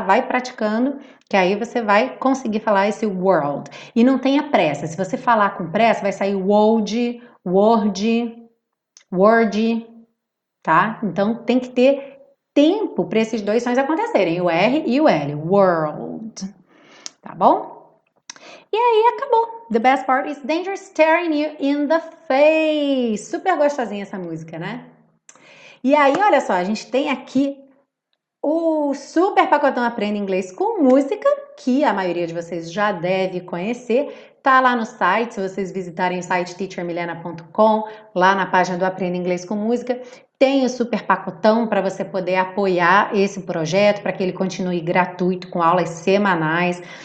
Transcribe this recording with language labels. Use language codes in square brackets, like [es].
[pt] Vai praticando, que aí você vai conseguir falar esse world. E não tenha pressa. Se você falar com pressa, vai sair world, word, word, tá? Então tem que ter tempo para esses dois sons acontecerem, o R e o L, world. Tá bom? E aí, acabou. [en] The best part is danger staring you in the face. [pt] Super gostosinha essa música, né? E aí, olha só, a gente tem aqui o super pacotão Aprenda Inglês com Música, que a maioria de vocês já deve conhecer. Tá lá no site, se vocês visitarem o site teachermilena.com, lá na página do Aprenda Inglês com Música, tem o super pacotão para você poder apoiar esse projeto, para que ele continue gratuito com aulas semanais.